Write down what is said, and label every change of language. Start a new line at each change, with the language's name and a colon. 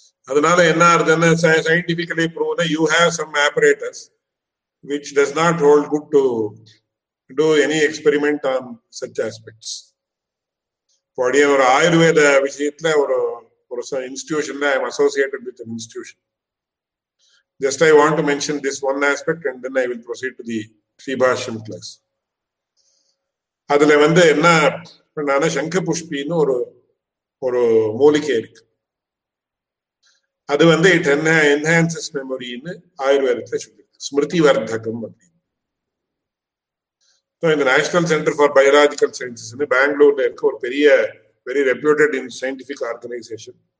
Tamil: அதனால என்ன ஆகுதுன்னா
English: Scientifically ப்ரூவ்னா you have some operators which does not hold good to to any experiment on such aspects.
Tamil: அப்படியே ஒரு ஆயுர்வேத விஷயத்துல ஒரு ஒரு இன்ஸ்டிடியூஷன்ல
English: I am associated with institution. Just I want to mention this one aspect and then I will proceed to the shrIbhAShyam class.
Tamil: அதுல வந்து என்ன சங்க புஷ்பின்னு ஒரு ஒரு மூலிகை இருக்கு. அது வந்து
English: it enhances மெமரின்னு
Tamil: ஆயுர்வேதத்தை சொல்லியிருக்கு. ஸ்மிருதி வர்த்தகம் அப்படின்னு இந்த
English: National Centre for Biological Sciences
Tamil: பெங்களூர்ல இருக்க ஒரு பெரிய
English: Very reputed in scientific organisation.